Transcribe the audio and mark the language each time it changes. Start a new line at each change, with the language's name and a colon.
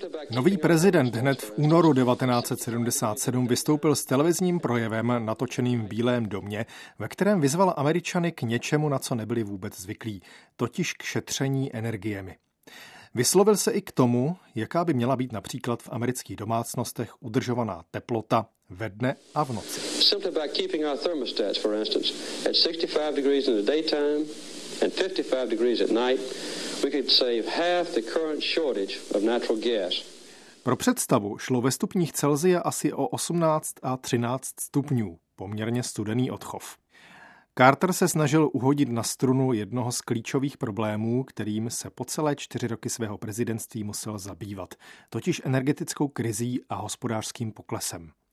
Czech: Nový prezident hned v únoru 1977 vystoupil s televizním projevem natočeným v Bílém domě, ve kterém vyzval Američany k něčemu, na co nebyli vůbec zvyklí, totiž k šetření energiemi. Vyslovil se i k tomu, jaká by měla být například v amerických domácnostech udržovaná teplota ve dne a v noci.
English: Simply by keeping our thermostats, for instance, at 65 degrees in the daytime and 55 degrees at night, we could save half the current shortage of natural gas.
Czech: Pro představu šlo ve stupních Celsia asi o 18 a 13 stupňů, poměrně studený odchov. Carter se snažil uhodit na strunu jednoho z klíčových problémů, kterým se po celé 4 roky svého prezidentství musel zabývat, totiž energetickou krizí a hospodářským poklesem.